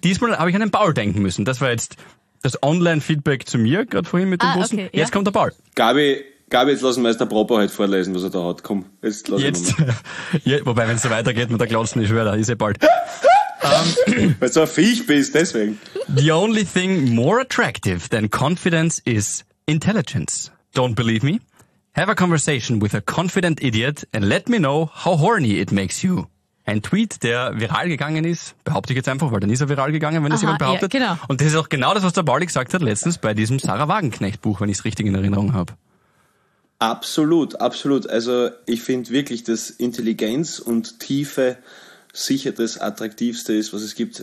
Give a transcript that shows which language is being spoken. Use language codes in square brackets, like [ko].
[de] Diesmal habe ich an den Paul denken müssen. Das war jetzt das Online-Feedback zu mir, gerade vorhin mit dem Putzen. Okay, jetzt kommt der Paul. Gabi, jetzt lassen wir erst der Propo heute vorlesen, was er da hat. Komm, jetzt lass jetzt. Ihn mal. Wobei, wenn es so weitergeht mit der Glotzen, ich schwöre, da ist eh bald. Weil du ein Viech bist, deswegen. [en] The only thing more attractive than confidence is intelligence. Don't believe me? Have a conversation with a confident idiot and let me know how horny it makes you. [de] Ein Tweet, der viral gegangen ist, behaupte ich jetzt einfach, weil dann ist er viral gegangen, wenn das jemand behauptet. Ja, genau. Und das ist auch genau das, was der Bali gesagt hat letztens bei diesem Sarah Wagenknecht Buch, wenn ich es richtig in Erinnerung habe. Absolut, absolut. Also ich finde wirklich, dass Intelligenz und Tiefe sicher das Attraktivste ist, was es gibt.